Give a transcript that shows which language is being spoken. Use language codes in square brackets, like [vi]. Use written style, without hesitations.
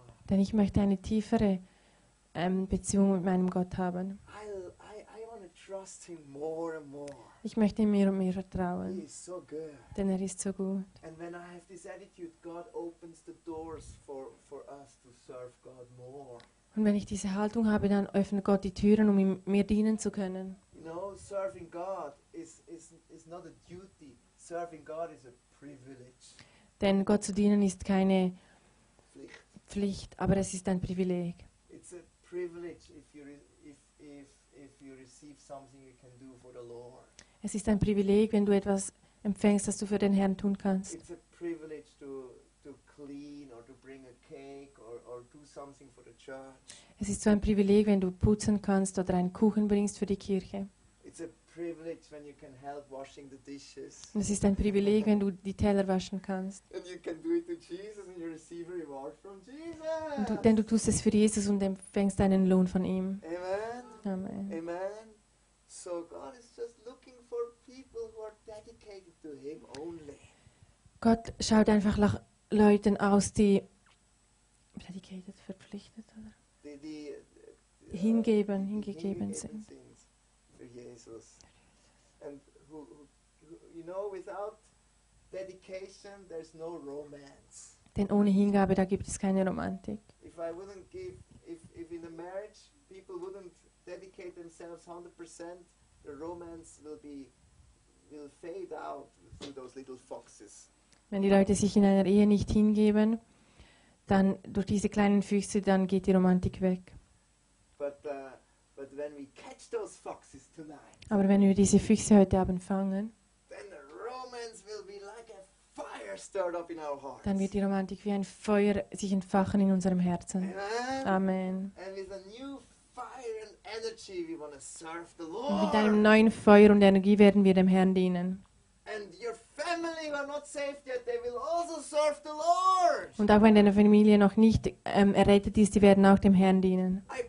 [de] Denn ich möchte eine tiefere Beziehung mit meinem Gott haben. [en] I want to trust him more and more. [de] Ich möchte ihm mehr und mehr vertrauen. [en] He is so good. [de] Denn er ist so gut. [en] And when I have this attitude, God opens the doors for us to serve God more. [de] Und wenn ich diese Haltung habe, dann öffnet Gott die Türen, um ihm mehr dienen zu können. [en] You know, serving God is not a duty. Serving God is a privilege. [de] Denn Gott zu dienen ist keine Pflicht, aber es ist ein Privileg. [en] It's a privilege if you receive something you can do for the Lord. [de] Es ist ein Privileg, wenn du etwas empfängst, das du für den Herrn tun kannst. [en] It's a privilege to clean or to bring a cake or do something for the church. [de] Es ist so ein Privileg, wenn du putzen kannst oder einen Kuchen bringst für die Kirche. [en] It's a privilege when you can help washing the dishes. [de] Es ist ein Privileg, wenn du die Teller waschen kannst. [en] And you can do it to Jesus and you receive a reward from Jesus. [de] Und denn du tust es für Jesus und empfängst einen Lohn von ihm. [en] Amen. [de] Amen. Amen. [en] So God is just looking for people who are dedicated to him only. [de] Gott schaut einfach nach Leuten aus, die dedicated, verpflichtet oder hingegeben sind. [en] Jesus. And who, you know, without dedication, there's no romance. [de] Denn ohne Hingabe, da gibt es keine Romantik. [en] If I wouldn't give, if in a marriage people wouldn't dedicate themselves 100%, the romance will fade out through those little foxes. [de] Wenn die Leute sich in einer Ehe nicht hingeben, dann durch diese kleinen Füchse, dann geht die Romantik weg. [en] But when we catch those foxes tonight, [de] aber wenn wir diese Füchse heute Abend fangen, [en] then the romance will be like a fire stirred up in our hearts. [de] Dann wird die Romantik wie ein Feuer sich entfachen in unserem Herzen. [en] Amen. [de] Amen. [en] And with a new fire and energy, we want to serve the Lord. [de] Und mit einem neuen Feuer und Energie werden wir dem Herrn dienen. [en] And your family who are not saved yet, they will also serve the Lord. [de] Und auch wenn deine Familie noch nicht errettet ist, die werden auch dem Herrn dienen.